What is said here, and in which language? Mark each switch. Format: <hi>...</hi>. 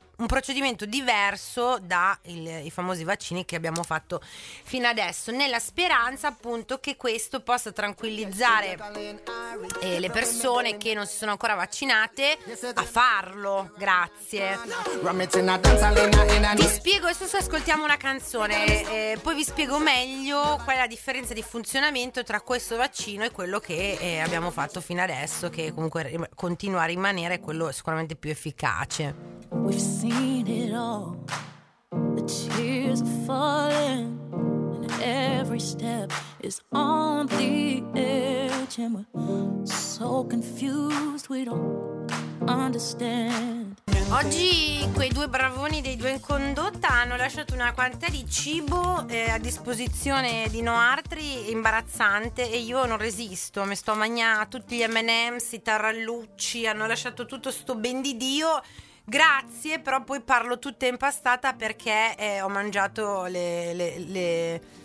<it>Un procedimento diverso dai famosi vaccini che abbiamo fatto fino adesso, nella speranza appunto che questo possa tranquillizzare le persone che non si sono ancora vaccinate a farlo. Grazie. Vi spiego adesso, ascoltiamo una canzone, poi vi spiego meglio qual è la differenza di funzionamento tra questo vaccino e quello che abbiamo fatto fino adesso, che comunque continua a rimanere quello sicuramente più efficace.</it> <en>Seen it all, the tears are falling, and every step is on the edge, and we're so confused, we don't understand.</en> <it>Oggi quei due bravoni dei due in condotta hanno lasciato una quantità di cibo a disposizione di Noartri imbarazzante, e io non resisto, mi sto a mangiare tutti gli M&M's, i tarallucci, hanno lasciato tutto sto ben di Dio. Grazie, però poi parlo tutta impastata perché ho mangiato le</it>